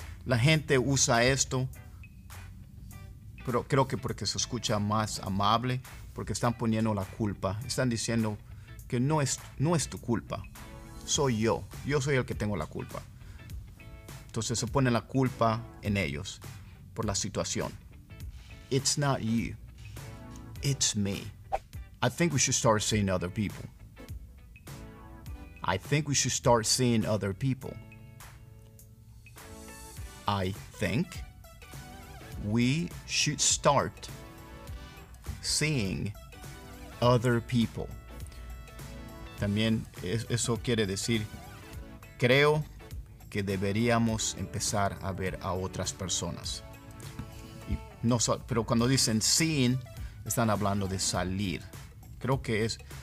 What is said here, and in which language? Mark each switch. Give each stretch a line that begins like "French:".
Spanish: La gente usa esto, pero creo que porque se escucha más amable, porque están poniendo la culpa. Están diciendo que no es tu culpa, soy yo. Yo soy el que tengo la culpa. Entonces se pone la culpa en ellos por la situación.
English: It's not you, it's me. I think we should start seeing other people. I think we should start seeing other people. I think we should start seeing other people.
Spanish: También eso quiere decir, creo que deberíamos empezar a ver a otras personas. Y no, pero cuando dicen seeing, están hablando de salir. Creo que es...